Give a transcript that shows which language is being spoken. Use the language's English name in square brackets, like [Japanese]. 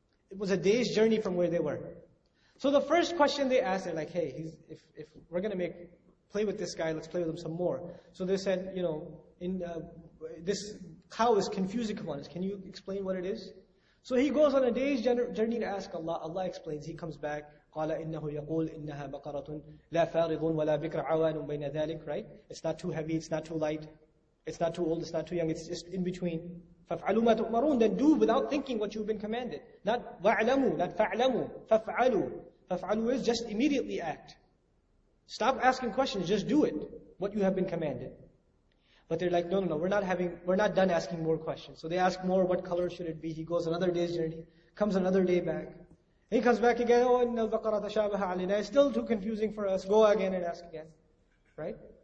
[English] It was a day's journey from where they were. So the first question they asked, they're like, hey, if we're going to play with this guy, let's play with him some more. So they said, you know, this cow is confusing upon us. Can you explain what it is? So he goes on a day's journey to ask Allah. Allah explains, he comes back. [Arabic] قَالَ إِنَّهُ يَقُولُ إِنَّهَا بَقَرَةٌ لَا فَارِضٌ وَلَا بِكْرَ عَوَانٌ بَيْنَ ذَلِكَ, [English] right? It's not too heavy, it's not too light, it's not too old, it's not too young, it's just in between. [Arabic] فَافْعَلُوا مَا تُؤْمَرُونَ, [English] then do without thinking what you've been commanded. [Arabic] Not وَعْلَمُوا, not فَعْلَمُوا, فَافْعَلُوا. [English] فَافْعَلُوا is just immediately act. Stop asking questions, just do it, what you have been commanded. But they're like, no, we're not done asking more questions. So they ask more, what color should it be? He goes another day's journey, comes another day back. He comes back again, oh, [Arabic] إِنَّ الْبَقَرَةَ تَشَابَهَ عَلِنَا, [English] it's still too confusing for us, go again and ask again. Right?